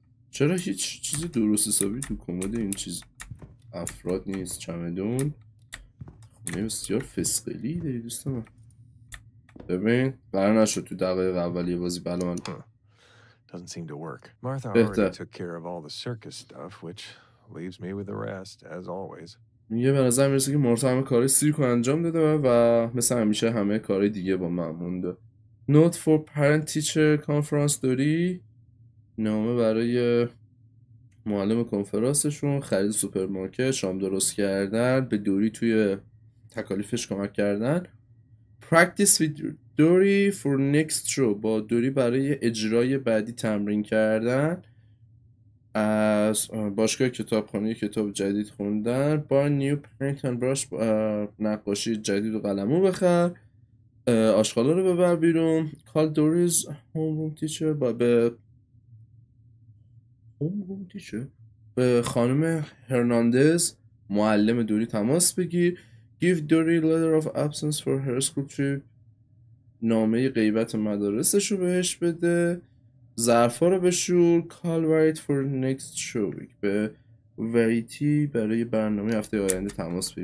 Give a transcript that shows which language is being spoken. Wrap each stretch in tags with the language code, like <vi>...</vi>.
<fa>چرا هیچ چیزی درست حسابی تو کمد این چیز افراد نیست؟ چمدون خونه بسیار فسقلی داری دوست من. ببین برای نشد تو دقیقه اولی بازی بلا من</fa> <en>doesn't seem to work. Martha already took care of all the circus stuff, which leaves me with the rest as always.</en> <fa>میگه به نظر میرسه که مارتا همه کاری سیرکو انجام داده و مثل همیشه همه کاری دیگه با من مونده.</fa> <en>Note for parent teacher conference</en> <fa>داری؟ نامه برای معلم کنفرانسشون، خرید سوپرمارکت، شام درست کردن، به دوری توی تکالیفش کمک کردن.</fa> <en>Practice with Dory for next show.</en> <fa>با دوری برای اجرای بعدی تمرین کردن. از باشگاه کتابخونی کتاب جدید خوندن. با نیو پینت اند براش نقاشی جدید و قلمو بخر. آشغالا رو ببر بیرون.</fa> <en>Call Doris home room teacher.</en> <fa>با به</fa> <en>home room teacher</en> <fa>به خانم هرناندز معلم دوری تماس بگیر.</fa> <en>Give Dory letter of absence for her school trip.</en> <fa>نامه غیبت مدارسش رو بهش بده. ظرفا رو بشور.</fa> <en>Call Wright for next show week.</en> <fa>به وریتی برای برنامه هفته آینده تماس بگیر.</fa>